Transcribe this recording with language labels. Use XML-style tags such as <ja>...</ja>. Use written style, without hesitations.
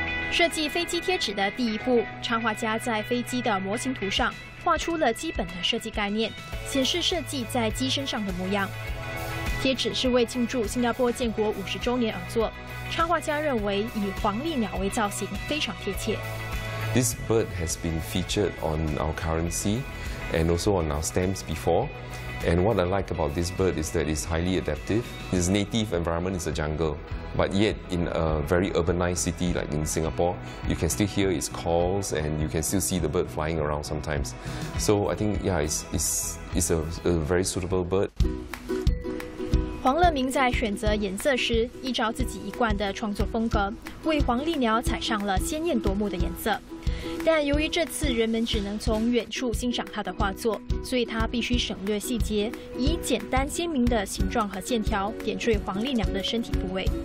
<zh>设计飞机贴纸的第一步，插画家在飞机的模型图上画出了基本的设计概念，显示设计在机身上的模样。贴纸是为庆祝新加坡建国50周年而做，插画家认为以黄鹂鸟为造型非常贴切。</zh> <en>This bird has been featured on our currency and also on our stamps before. And what I like about this bird is that it's highly adaptive. Its native environment is a jungle, but yet in a very urbanized city like in Singapore, you can still hear its calls and you can still see the bird flying around sometimes. So I think, yeah, it's a very suitable bird.</en> <zh>黄乐明在选择颜色时，依照自己一贯的创作风格，为黄鹂鸟踩上了鲜艳夺目的颜色。但由于这次人们只能从远处欣赏他的画作，所以他必须省略细节，以简单鲜明的形状和线条点缀黄鹂鸟的身体部位。</zh>